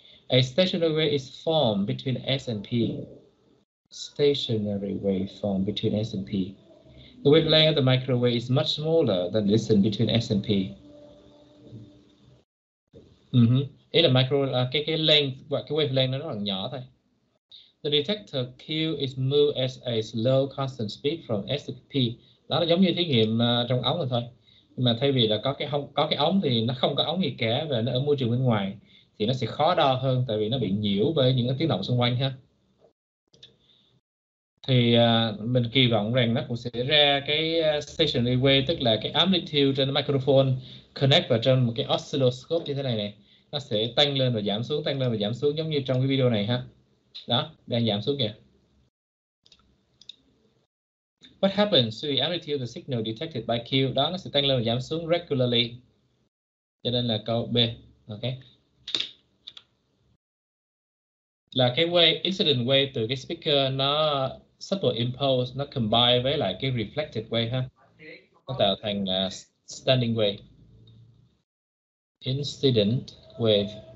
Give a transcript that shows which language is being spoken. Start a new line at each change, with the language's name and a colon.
English: A stationary wave is formed between S and P. Stationary wave formed between S and P. The wavelength of the microwave is much smaller than the distance between S and P.
Vietnamese: Ý là cái length, cái wavelength nó rất là nhỏ thôi.
English: The detector Q is moved at a slow constant speed from S to P.
Vietnamese: Đó là giống như thí nghiệm trong ống rồi thôi. Nhưng mà thay vì là có cái ống thì nó không có ống gì cả và nó ở môi trường bên ngoài, thì nó sẽ khó đo hơn tại vì nó bị nhiễu bởi những cái tiếng động xung quanh ha. Thì mình kỳ vọng rằng nó cũng sẽ ra cái stationary wave, tức là cái amplitude trên microphone connect vào trong một cái oscilloscope như thế này này. nó sẽ tăng lên và giảm xuống, tăng lên và giảm xuống giống như trong cái video này ha. Đó, đang giảm xuống kìa.
English: What happens to the amplitude of the signal detected by Q?
Vietnamese: Đó, nó sẽ tăng lên và giảm xuống regularly. Cho nên là câu B, ok. Là cái wave, incident wave từ cái speaker nó superimpose, nó combine với lại cái reflected wave ha. Nó tạo thành standing wave. Incident wave.